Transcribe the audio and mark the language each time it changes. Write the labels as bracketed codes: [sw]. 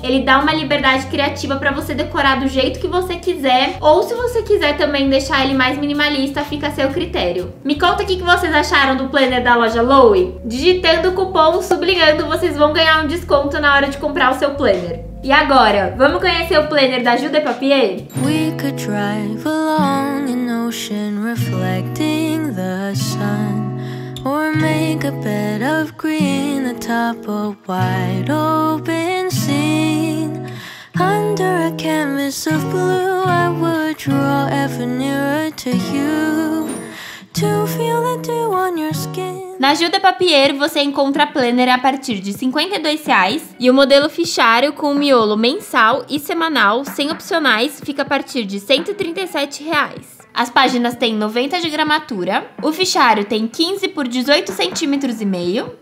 [pt] Ele dá uma liberdade criativa para você decorar do jeito que você quiser. Ou se você quiser também deixar ele mais minimalista, fica a seu critério. Me conta o que vocês acharam do planner da loja Lowe. Digitando o cupom SUBLINHANDO, vocês vão ganhar um desconto na hora de comprar o seu planner. E agora, vamos conhecer o planner da Jude Papier? [en] We could drive along an ocean reflecting the sun. Or make a bed of green atop a wide open scene. Under a canvas of blue, I would draw ever nearer to you. To feel the dew on your skin. [pt] Na Gilda Papier, você encontra planner a partir de R$52 e o modelo fichário com o miolo mensal e semanal, sem opcionais, fica a partir de R$137. As páginas têm 90 de gramatura. O fichário tem 15 por 18,5 cm.